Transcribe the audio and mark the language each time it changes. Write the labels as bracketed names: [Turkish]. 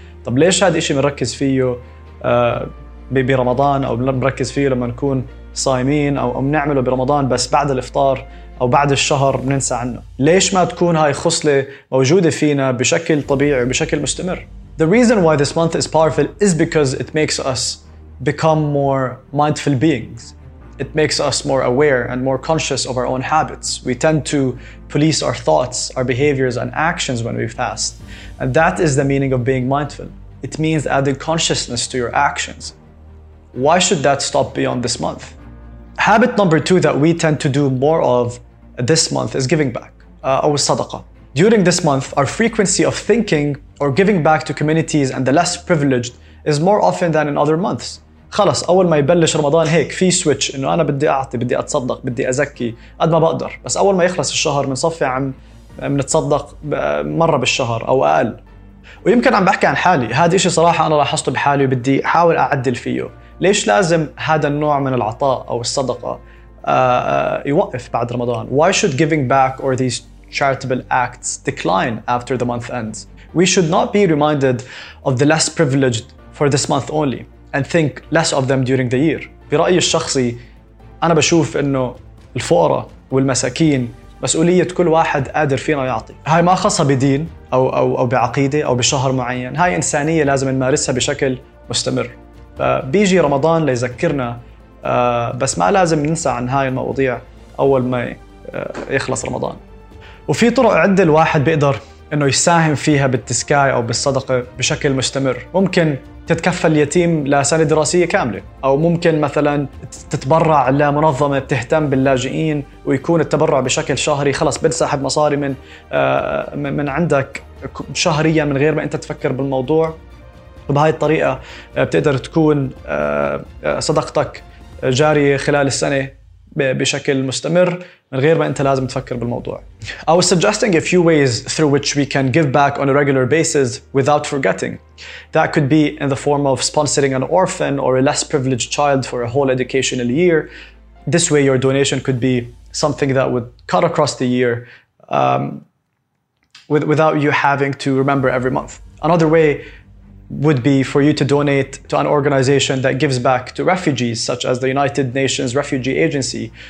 [Arabic] طب ليش هذا إشي منركز فيه برمضان أو منركز فيه لما نكون صايمين أو منعمله برمضان بس بعد الإفطار أو بعد الشهر بننسى عنه؟ ليش ما تكون هاي خصلة موجودة فينا بشكل طبيعي وبشكل مستمر؟ [English] The reason why this month is powerful is because it makes us become more mindful beings. It makes us more aware and more conscious of our own habits. We tend to police our thoughts, our behaviors, and actions when we fast. And that is the meaning of being mindful. It means adding consciousness to your actions. Why should that stop beyond this month? Habit number two that we tend to do more of this month is giving back, or sadaqah. During this month, our frequency of thinking or giving back to communities and the less privileged is more often than in other months. [Arabic] خلص أول ما يبلش رمضان هيك في سويتش إنه أنا بدي أعطي بدي أتصدق بدي أزكي قد ما بقدر بس أول ما يخلص الشهر منصفي عم منتصدق مرة بالشهر أو أقل ويمكن عم بحكي عن حالي هذا إشي صراحة أنا لاحظته بحالي وبدي أحاول أعدل فيه ليش لازم هذا النوع من العطاء أو الصدقة يوقف بعد رمضان [English] Why should giving back or these charitable acts decline after the month ends? We should not be reminded of the less privileged for this month only and think less of them during the year. [Arabic] برأيي الشخصي أنا بشوف إنه الفقراء والمساكين مسؤولية كل واحد قادر فينا يعطي. هاي ما خاصها بدين أو أو أو بعقيدة أو بشهر معين. هاي إنسانية لازم نمارسها بشكل مستمر. بيجي رمضان ليذكرنا بس ما لازم ننسى عن هاي المواضيع أول ما يخلص رمضان. وفي طرق عدة الواحد بيقدر إنه يساهم فيها بالتسكاي أو بالصدقة بشكل مستمر. ممكن تتكفل اليتيم لسنة دراسية كاملة أو ممكن مثلاً تتبرع لمنظمة بتهتم باللاجئين ويكون التبرع بشكل شهري خلص بنسحب مصاري من عندك شهرياً من غير ما أنت تفكر بالموضوع وبهاي الطريقة بتقدر تكون صدقتك جارية خلال السنة بشكل مستمر من غير ما أنت لازم تفكر بالموضوع [English] I was suggesting a few ways through which we can give back on a regular basis without forgetting. That could be in the form of sponsoring an orphan or a less privileged child for a whole educational year. This way your donation could be something that would cut across the year without you having to remember every month. Another way would be for you to donate to an organization that gives back to refugees, such as the United Nations Refugee Agency.